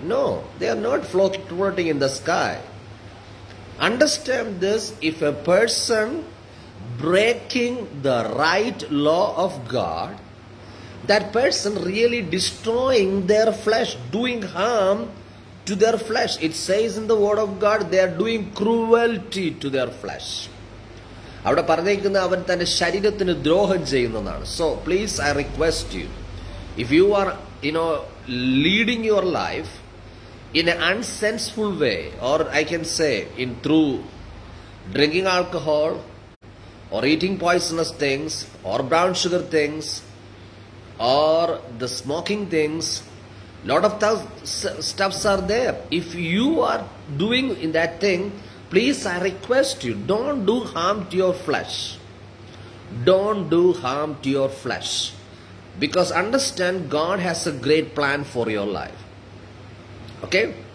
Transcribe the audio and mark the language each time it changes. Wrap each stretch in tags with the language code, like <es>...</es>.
<en>No, they are not floating in the sky. Understand this, if a person breaking the right law of God, that person really destroying their flesh, doing harm to their flesh. It says in the word of God, they are doing cruelty to their flesh.</en> <ml>അവിടെ പറഞ്ഞിരിക്കുന്ന അവൻ തന്റെ ശരീരത്തിന് ദ്രോഹം ചെയ്യുന്നതാണ്.</ml> <en>So please I request you, if you are you know leading your life in a unsenseful way, or I can say in through drinking alcohol or eating poisonous things or brown sugar things or the smoking things lot of stuffs are there. If you are doing in that thing, please I request you, don't do harm to your flesh. Don't do harm to your flesh. Because understand, God has a great plan for your life. Okay?</en>